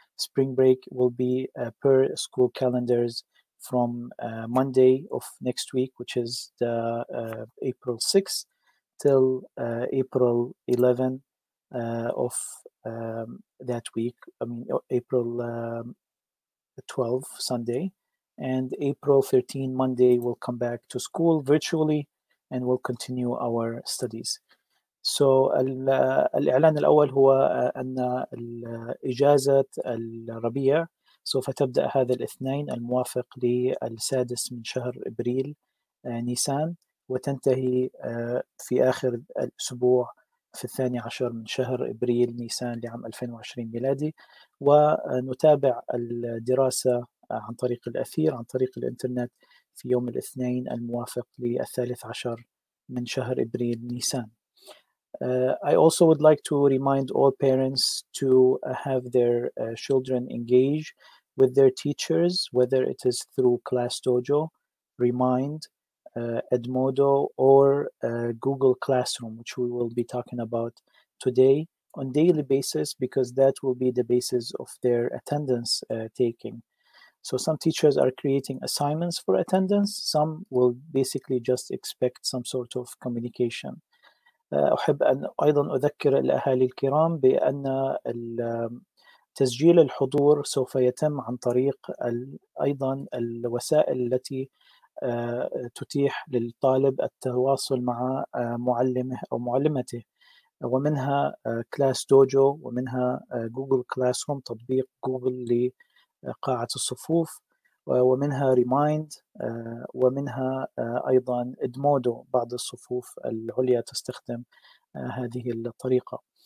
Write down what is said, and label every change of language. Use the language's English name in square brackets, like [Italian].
[English] Spring break will be per school calendars from Monday of next week, which is the April 6th, till April 11th of that week, April 12th, Sunday, and April 13th, Monday, we'll come back to school virtually and we'll continue our studies. So [Arabic] الإعلان الأول هو أن إجازة الربيع سوف تبدأ هذا الاثنين الموافق للسادس من شهر إبريل نيسان وتنتهي في آخر الأسبوع في الثاني عشر من شهر إبريل نيسان لعام 2020 ميلادي ونتابع الدراسة عن طريق الأثير عن طريق الإنترنت في يوم الاثنين الموافق للثالث عشر من شهر إبريل نيسان. [English] I also would like to remind all parents to have their children engage with their teachers, whether it is through Class Dojo, Remind, Edmodo, or Google Classroom, which we will be talking about today on a daily basis, because that will be the basis of their attendance taking. So some teachers are creating assignments for attendance. Some will basically just expect some sort of communication. [Arabic] أحب أن أيضاً أذكر الأهالي الكرام بأن تسجيل الحضور سوف يتم عن طريق أيضاً الوسائل التي تتيح للطالب التواصل مع معلمه أو معلمته ومنها كلاس دوجو ومنها جوجل كلاس روم تطبيق جوجل لقاعة الصفوف ومنها ريمايند ومنها أيضا إدمودو بعض الصفوف العليا تستخدم هذه الطريقة.